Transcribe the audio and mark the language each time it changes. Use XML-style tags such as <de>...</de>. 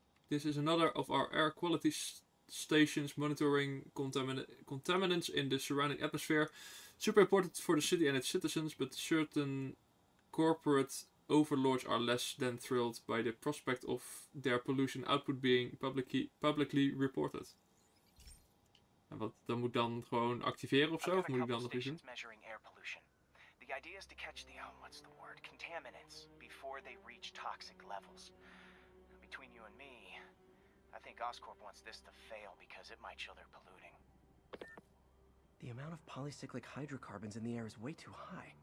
<en>This is another of our air quality stations monitoring contaminants in the surrounding atmosphere. Super important for the city and its citizens, but certain corporate overlords are less than thrilled by the prospect of their pollution output being publicly reported.</en> <nl>En wat, dan moet dan gewoon activeren ofzo? Of moet ik dan nog iets doen?</nl> <en>Measuring air pollution. The idea is to catch the, what's the word, contaminants before they reach toxic levels. Between you and me, I think Oscorp wants this to fail because it might show they're polluting. The amount of polycyclic hydrocarbons in the air is way too high.</en>